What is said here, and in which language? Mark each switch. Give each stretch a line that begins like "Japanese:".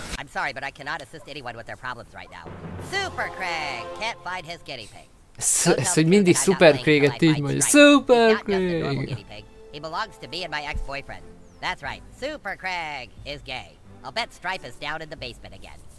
English: I'm sorry, but I cannot assist anyone with their problems right now. Super Craig can't find his guinea pig.
Hungarian: Ez hogy mindig Super Craig-et így mondja.
English: Super Craig! He belongs to me and my ex-boyfriend. That's right, Super Craig is gay. I'll bet Strife is down in the basement again.